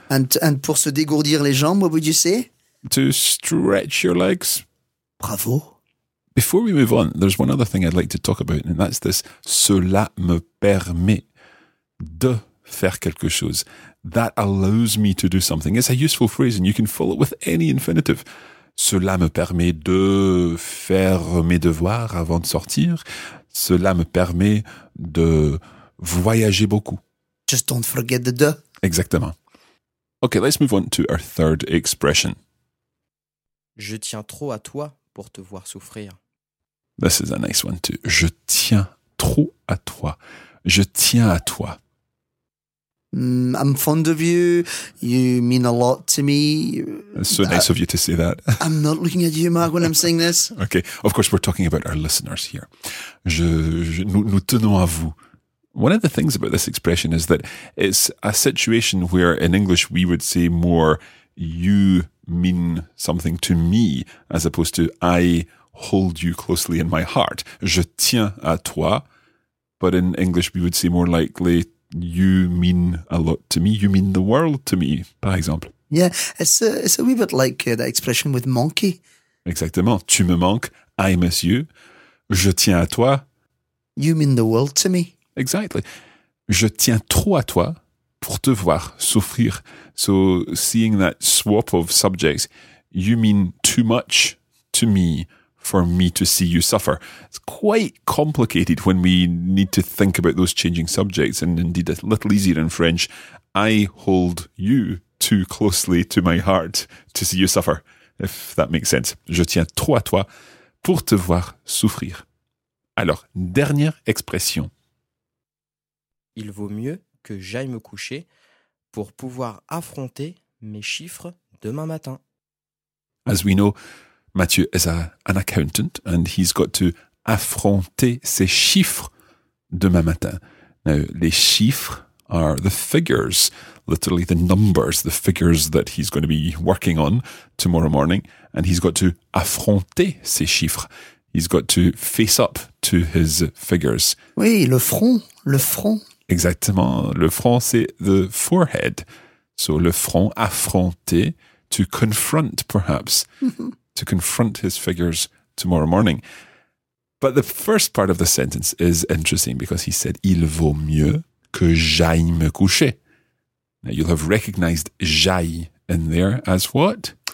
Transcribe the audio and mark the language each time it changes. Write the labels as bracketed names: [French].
[English] And [French] pour se dégourdir les jambes, [English] what would you say? To stretch your legs. Bravo. Before we move on, there's one other thing I'd like to talk about, and that's this. [French] Cela me permet de faire quelque chose. [English] That allows me to do something. It's a useful phrase, and you can fill it with any infinitive. [French] Cela me permet de faire mes devoirs avant de sortir. Cela me permet de voyager beaucoup. [English] Just don't forget the de. [French] Exactement. [English] Okay, let's move on to our third expression. [French] Je tiens trop à toi pour te voir souffrir. [English] This is a nice one too. [French] Je tiens trop à toi. Je tiens à toi. [English] I'm fond of you. You mean a lot to me. It's so nice of you to say that. I'm not looking at you, Mark, when I'm saying this. Okay. Of course, we're talking about our listeners here. [French] Nous tenons à vous. [English] One of the things about this expression is that it's a situation where in English we would say more you mean something to me as opposed to I hold you closely in my heart. [French] Je tiens à toi. [English] But in English we would say more likely you mean a lot to me. You mean the world to me, [French] par exemple. [English] Yeah, it's a wee bit like that expression with monkey. [French] Exactement. Tu me manques. [English] I miss you. [French] Je tiens à toi. [English] You mean the world to me. Exactly. [French] Je tiens trop à toi pour te voir souffrir. [English] So seeing that swap of subjects, you mean too much to me for me to see you suffer. It's quite complicated when we need to think about those changing subjects, and indeed a little easier in French. I hold you too closely to my heart to see you suffer, if that makes sense. [French] Je tiens trop à toi pour te voir souffrir. Alors, dernière expression. Il vaut mieux que j'aille me coucher pour pouvoir affronter mes chiffres demain matin. [English] As we know, Mathieu is an accountant and he's got to [French] affronter ses chiffres demain matin. [English] Now, les chiffres are the figures, literally the numbers, the figures that he's going to be working on tomorrow morning. And he's got to [French] affronter ses chiffres. [English] He's got to face up to his figures. [French] Oui, le front. Exactement. Le front, c'est [English] the forehead. So le front, affronter, to confront perhaps. To confront his figures tomorrow morning. But the first part of the sentence is interesting because he said, [French] il vaut mieux que j'aille me coucher. [English] Now you'll have recognized j'aille in there as what?